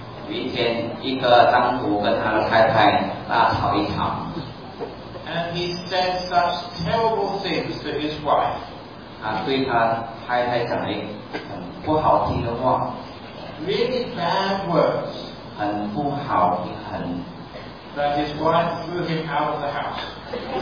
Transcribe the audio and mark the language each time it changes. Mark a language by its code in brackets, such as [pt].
[zh] 有一天，一个丈夫跟他的太太大吵一场。 [en] And he said such terrible things to his wife. [zh] 他对他太太讲了很不好听的话， [en] really bad words， [zh] 很不好听，很 [en] that his wife threw him out of the house，